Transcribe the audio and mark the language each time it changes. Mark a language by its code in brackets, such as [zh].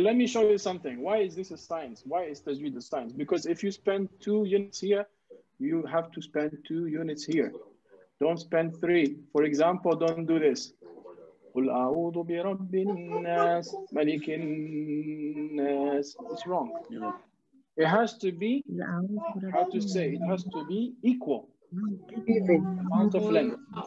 [en] Let me show you something. Why is this a science? Why is Tajweed a science? Because if you spend 2 units here, you have to spend 2 units here. Don't spend 3. For example, don't do this. [ar] قل أعوذ برب الناس ملك الناس. [en] It's wrong. It has to be, how to say, it has to be equal amount of length.